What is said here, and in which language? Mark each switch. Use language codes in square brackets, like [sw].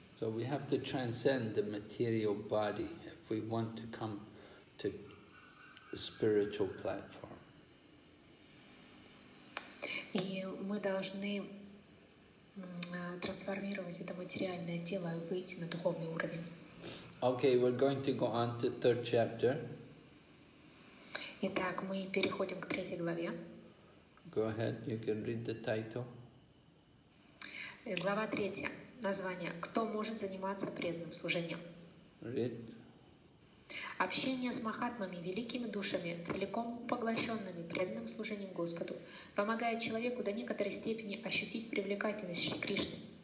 [en] So we have to transcend the material body if we want to come to the spiritual platform. [ru] И мы должны трансформировать это материальное тело и выйти на духовный уровень. [en] Okay, we're going to go on to third chapter. [ru] Итак, мы переходим к третьей главе. [en] Go ahead, you can read the title. [ru] Глава третья. Название. Кто может заниматься преданным служением? [en] Read. [ru] Общение с махатмами, великими душами, целиком поглощенными преданным служением Господу, помогает человеку до некоторой степени ощутить привлекательность Шри Кришны.